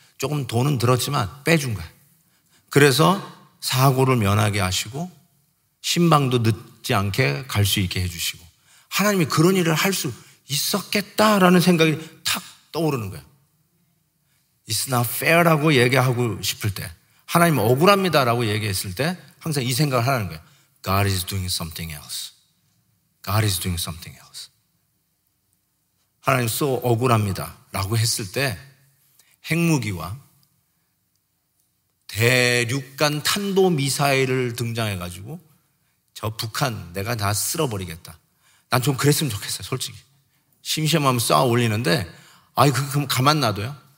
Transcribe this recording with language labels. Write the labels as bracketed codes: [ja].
[ko] 조금 돈은 들었지만 빼준 거예요. 그래서 사고를 면하게 하시고 신방도 늦지 않게 갈 수 있게 해주시고 하나님이 그런 일을 할 수 있었겠다라는 생각이 탁 떠오르는 거예요. [en] It's not fair [ko] 라고 얘기하고 싶을 때 하나님 억울합니다라고 얘기했을 때 항상 이 생각을 하는 거예요. [en] God is doing something else. God is doing something else. [ko] 하나님 so 억울합니다 라고 했을 때 핵무기와 대륙간 탄도미사일을 등장해가지고 저 북한 내가 다 쓸어버리겠다. 난 좀 그랬으면 좋겠어요. 솔직히 심심하면 쏴올리는데 아이 그럼 가만 놔둬요.